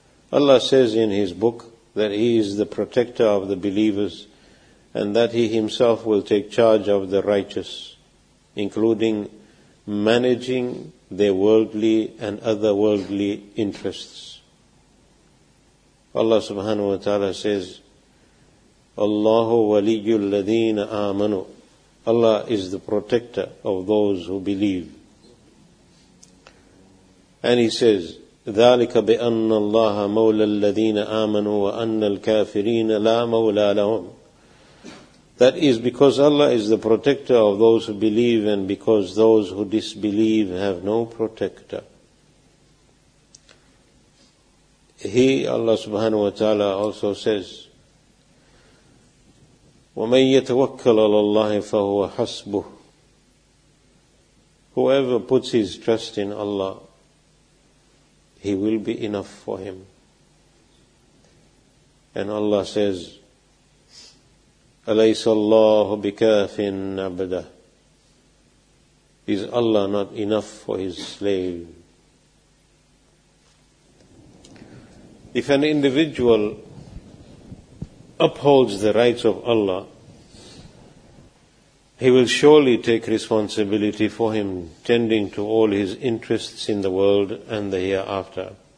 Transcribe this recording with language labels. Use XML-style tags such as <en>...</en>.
<en>Allah says in his book that he is the protector of the believers and that he himself will take charge of the righteous, including managing their worldly and otherworldly interests. Allah subhanahu wa ta'ala says,</en> <ar>Allahu waliyyu alladhina amanu.</ar> <en>Allah is the protector of those who believe. And he says,</en> <ar>ذَلِكَ بِأَنَّ اللَّهَ مَوْلَى الَّذِينَ آمَنُوا وَأَنَّ الْكَافِرِينَ لَا مَوْلَى لَهُمْ.</ar> <en>That is because Allah is the protector of those who believe and because those who disbelieve have no protector. He, Allah subhanahu wa ta'ala, also says,</en> <ar>وَمَنْ يَتَوَكَّلْ عَلَى اللَّهِ فَهُوَ حَسْبُهُ.</ar> <en>Whoever puts his trust in Allah, He will be enough for him. And Allah says,</en> <ar>أَلَيْسَ اللَّهُ بِكَافٍ عَبْدَهُ.</ar> <en>Is Allah not enough for His slave? If an individual upholds the rights of Allah, he will surely take responsibility for him, tending to all his interests in the world and the hereafter.</en>